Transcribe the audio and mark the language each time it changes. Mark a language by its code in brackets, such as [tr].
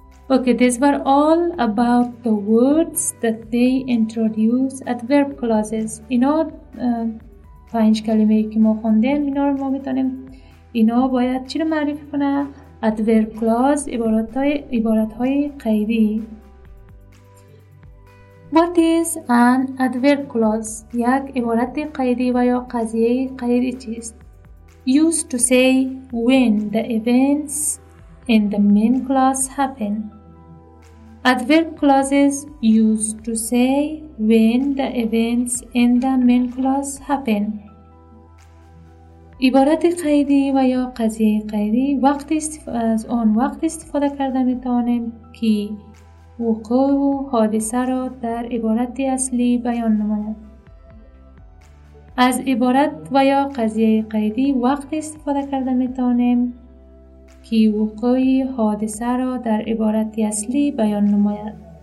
[en] Okay, these were all about the words that they introduce at verb clauses. [fa] اینا پنج کلمه ای که ما خوندیم، اینا رو ما میتونیم، اینا باید چی رو معرفی کنه؟ at verb clause، عبارت های قیدی. [en] What is an adverb clause؟ [fa] یک عبارت قیدی و یا قضیه قیدی چیست؟ [en] Used to say when the events in the main clause happen. Adverb clauses used to say when the events in the main clause happen. [fa] عبارت قیدی و یا قضیه قیدی وقت استفاده کرده می توانیم که وقوع و حادثه را در عبارت اصلی بیان نماید. از عبارت و یا قضیه قیدی وقت استفاده کرده می توانیم که وقوع حادثه را در عبارت اصلی بیان نماید.